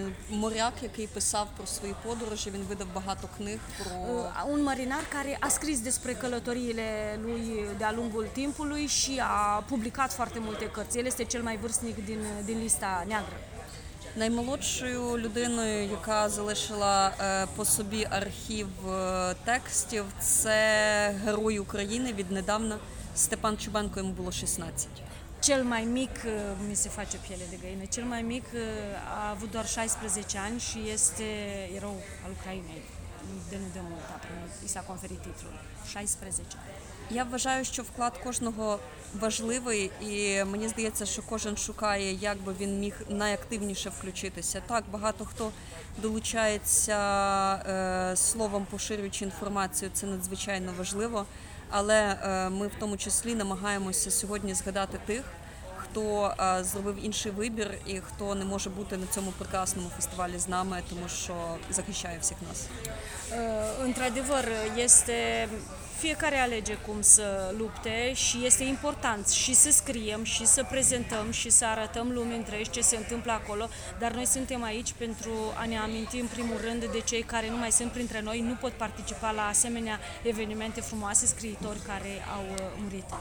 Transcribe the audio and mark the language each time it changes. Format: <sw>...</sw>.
<uk>Моряк, який писав про свої подорожі, він видав багато книг про...</uk> <ro>Un marinar care a scris despre călătoriile lui de-a lungul timpului și a publicat foarte multe cărți. El este cel mai vârstnic din lista neagră.</ro> <uk>Наймолодшою людиною, яка залишила по собі архів текстів, це герой України від недавно Степан Чубенко, йому було 16.</uk> <ro>Cel mai mic, mi se face piele de găină, cel mai mic a avut doar 16 ani și este erou al Ucrainei. De nu de mult, i s-a conferit titlul. 16 ani.</ro> <uk>Я вважаю, що вклад кожного важливий, і мені здається, що кожен шукає, як би він міг найактивніше включитися. Так, багато хто долучається словом, поширюючи інформацію, це надзвичайно важливо. Але ми в тому числі намагаємося сьогодні згадати тих, хто зробив інший вибір і хто не може бути на цьому прекрасному фестивалі з нами, тому що захищає всіх нас.</uk> <ro>Într-adevăr, este fiecare alege cum să lupte și este important și să scriem și să prezentăm și să arătăm lumii întregi ce se întâmplă acolo, dar noi suntem aici pentru a ne aminti în primul rând de cei care nu mai sunt printre noi, nu pot participa la asemenea evenimente frumoase, scriitori care au murit.</ro>